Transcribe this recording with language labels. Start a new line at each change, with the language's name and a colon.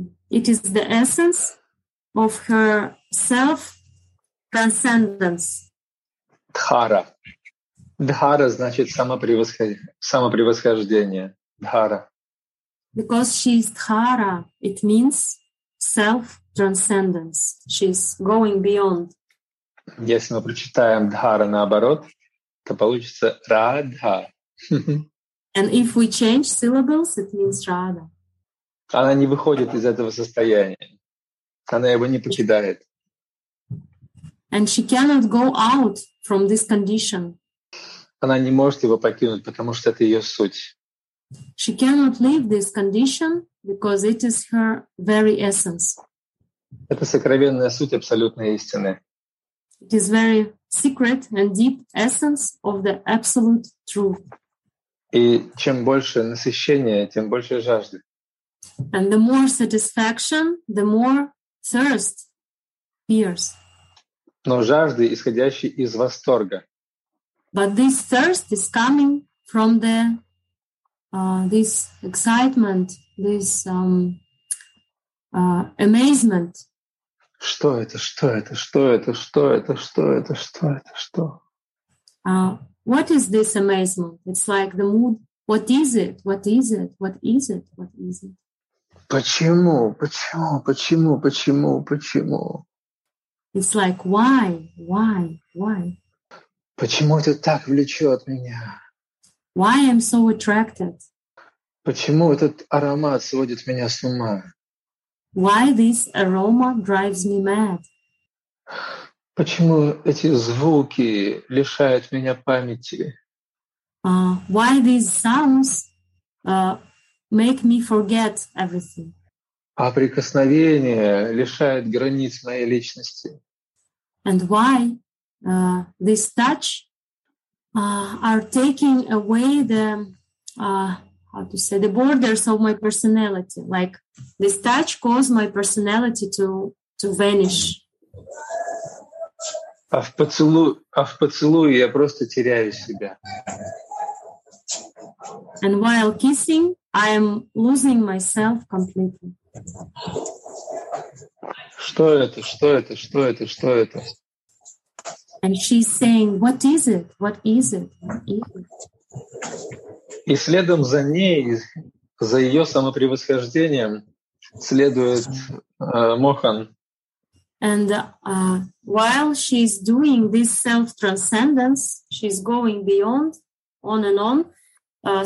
English: It is the essence of her self-transcendence.
Russian: Дхара. Дхара значит самопревосхождение.
English: Dhara. Because she is Dhara, it means self-transcendence. She's going beyond.
Russian: Если мы прочитаем Dhara наоборот, то получится Radha.
English: And if we change syllables, it means Radha.
Russian: Она не выходит из этого состояния. Она его не покидает.
English: And she cannot go out from this condition.
Russian: Она не может его покинуть, потому что это ее суть.
English: She cannot leave this condition because it is her very essence.
Russian: Это сокровенная суть абсолютной истины.
English: It is very secret and deep essence of the absolute truth.
Russian: И чем больше насыщения, тем больше жажды.
English: And the more satisfaction, the more thirst appears.
Russian: Но жажды, исходящие из восторга.
English: But this thirst is coming from the this excitement, this amazement.
Russian: Что это? Что это? Что это? Что это? Что это? Что это? Что?
English: What is this amazement? It's like the mood. What is it? What is it? What is it? What is it?
Russian: Почему? Почему? Почему? Почему? Почему?
English: It's like why? Why? Why?
Russian: Почему это так влечет меня?
English: Why I'm so attracted?
Russian: Почему этот аромат сводит меня с ума?
English: Why this aroma drives me mad?
Russian: Почему эти звуки лишают меня памяти?
English: why these sounds make me forget everything.
Russian: А прикосновение лишает границ моей личности.
English: And why this touch are taking away the how to say the borders of my personality? Like this touch caused my personality to vanish.
Russian: А в поцелуе я просто теряю себя.
English: And while kissing, I am losing myself completely.
Russian: Что это? Что это? Что это? Что это?
English: And she's saying, "What is it? What is it? What is it?"
Russian: И следом за ней, за ее самопревосхождением, следует Мохан.
English: And while she's doing this self-transcendence, she's going beyond, on and on.